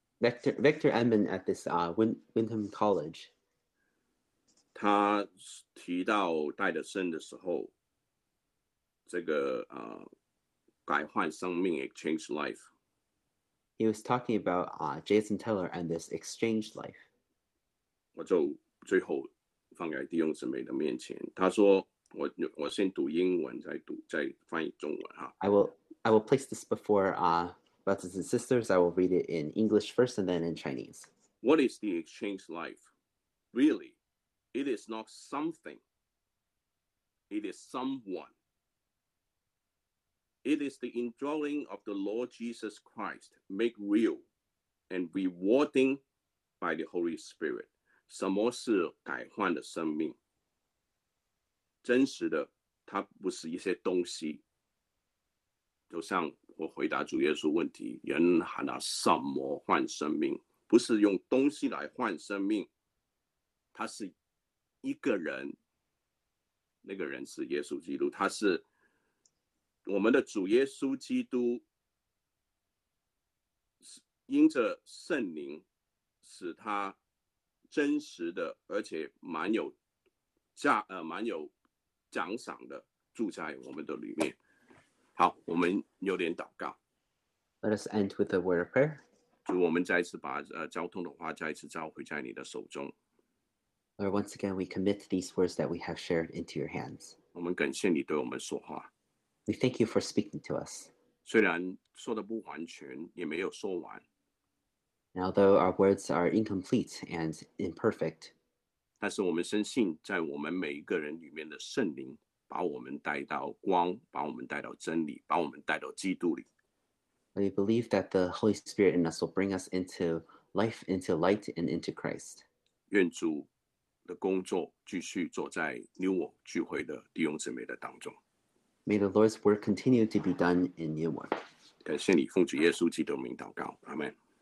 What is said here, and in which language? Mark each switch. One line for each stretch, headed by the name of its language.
English: Victor Edmond at this Wyndham College.
Chinese: 他提到戴德森的时候，这个改换生命
English: exchange life. He was talking about Jason Taylor and this exchange life.
Chinese: 我就最后放在弟兄姊妹的面前。他说，我先读英文，再翻译中文哈。
English: I will place this before Brothers and sisters, I will read it in English first and then in Chinese. What is the exchange life? Really, it is not something. It is someone. It is the indwelling of the Lord Jesus Christ made real and rewarding by the Holy Spirit.
Chinese: 什么是改换的生命？真实的，它不是一些东西。就像我回答主耶稣问题，人喊他什么换生命？不是用东西来换生命，他是一个人，那个人是耶稣基督，他是我们的主耶稣基督，因着圣灵使他真实的，而且蛮有奖赏的住在我们的里面。好，我们有点祷告。
English: Let us end with a word of prayer.
Chinese: 主，我们再次把交通的话再次交回在你的手中。
English: Lord, once again, we commit these words that we have shared into your hands.
Chinese: 我们感谢你对我们说话。
English: We thank you for speaking to us.
Chinese: 虽然说的不完全，也没有说完。
English: And although our words are incomplete and imperfect,
Chinese: 但是我们深信，在我们每一个人里面的圣灵，把我们带到光，把我们带到真理，把我们带到基督里。
English: We believe that the Holy Spirit in us will bring us into life, into light, and into Christ.
Chinese: 愿主的工作继续做在你我聚会的弟兄姊妹的当中。
English: May the Lord's work continue to be done in you and me.
Chinese: 感谢你，奉主耶稣基督的名祷告，阿门。